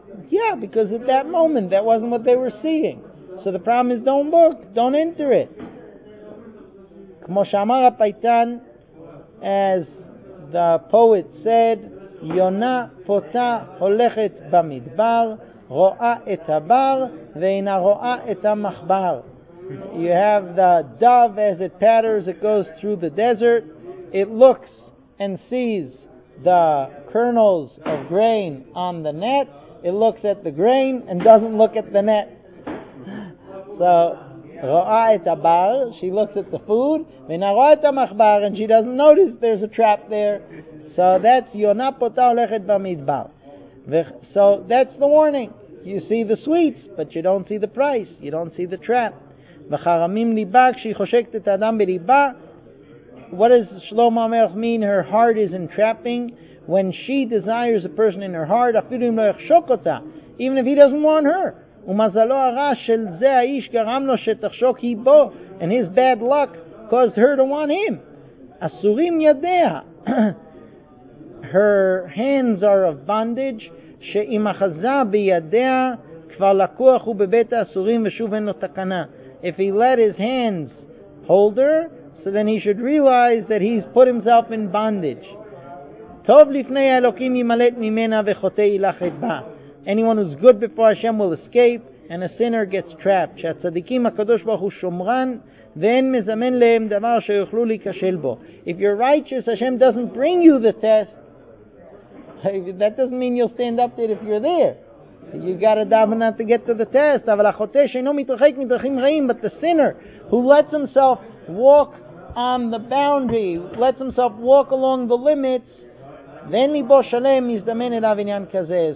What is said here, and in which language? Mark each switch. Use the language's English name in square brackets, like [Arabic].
[English] Yeah, because at that moment, that wasn't what they were seeing. So the problem is, don't look, don't enter it. [Hebrew] כמו שאמר הפייטן, [English] as the poet said, [Hebrew] יונה פותה הולכת במדבר, רואה את הבר ואינה רואה את המחבר. [English] You have the dove as it patters, it goes through the desert, it looks and sees the kernels of grain on the net, it looks at the grain and doesn't look at the net. So [Hebrew] רואה את הבר, [English] she looks at the food, [Hebrew] ואינה רואה את המחבר, [English] and she doesn't notice there's a trap there. So that's [Hebrew] יונה פותה הולכת במדבר. [English] So that's the warning. You see the sweets, but you don't see the price. You don't see the trap. [Hebrew] וחרמים ליבה, כשהיא חושקת את האדם בליבה. [English] What does Shlomo HaMelech mean? Her heart is entrapping. When she desires a person in her heart, [Hebrew] אפילו אם לא יחשוק אותה, [English] even if he doesn't want her. [Hebrew] ומזלו הרע של זה האיש גרם לו שתחשוק היא בו, [English] and his bad luck caused her to want him. [Hebrew] אסורים ידיה. [English] Her hands are of bondage. [Hebrew] שאם אחזה בידיה כבר לקוח הוא בבית האסורים ושוב אין לו תקנה. [English] If he let his hands hold her, so then he should realize that he's put himself in bondage. [Hebrew] טוב לפני האלוקים ימלט ממנה וחוטא ילך את בה. [English] Anyone who's good before Hashem will escape, and a sinner gets trapped. [Hebrew] שהצדיקים הקדוש ברוך הוא שומרן, ואין מזמן להם דבר שיוכלו להיכשל בו. [English] If you're righteous, Hashem doesn't bring you the test. That doesn't mean you'll stand up to it if you're there. You've got to daven to get to the test. [Hebrew] אבל החוטא שאינו מתרחק מדרכים רעים, [English] but the sinner who lets himself walk on the boundary, lets himself walk along the limits, [Hebrew] ואין ליבו שלם מזדמן אליו עניין כזה.